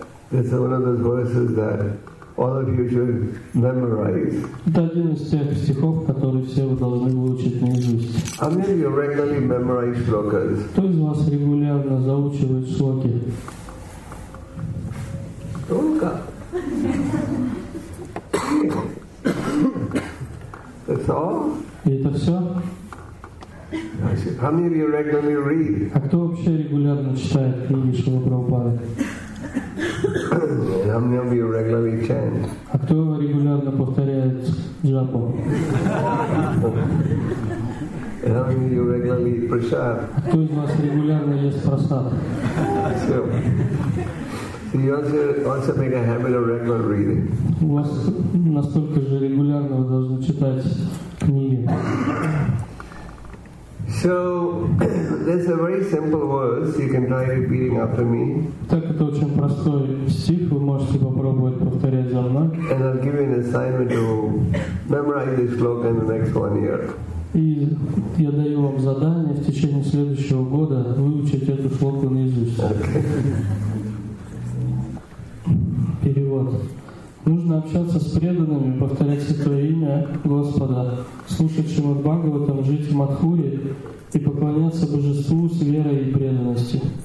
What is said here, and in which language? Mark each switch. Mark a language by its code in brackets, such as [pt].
[en] This is one of those verses that all of you should memorize. [ru] Это один из тех стихов, которые все вы должны выучить наизусть. [en] How many of you regularly memorize shlokas? [ru] Кто из вас регулярно заучивает шлоки? Рука. [en] That's all? [ru] И это все? [en] How many of you regularly read? [ru] А кто вообще регулярно читает книги Шрила Прабхупады? [en] How many of you regularly chant? [ru] А кто регулярно повторяет джапу? [en] How many of you regularly eat prasad? [ru] А кто из вас регулярно ест прасад? [en] So you also make a habit of regular reading. [ru] У вас настолько же регулярно вы должны читать книги. [en] So there's a very simple verse. You can try repeating after me. [ru] Так это очень простой стих. Вы можете попробовать повторять за мной. [en] And I'll give you an assignment to memorize this shloka in the next 1 year. [ru] И я даю вам задание в течение следующего года выучить эту шлоку наизусть. Перевод. Нужно общаться с преданными, повторять святое имя Господа, слушать Шримад Бхагаватам, жить в Матхуре и поклоняться Божеству с верой и преданностью.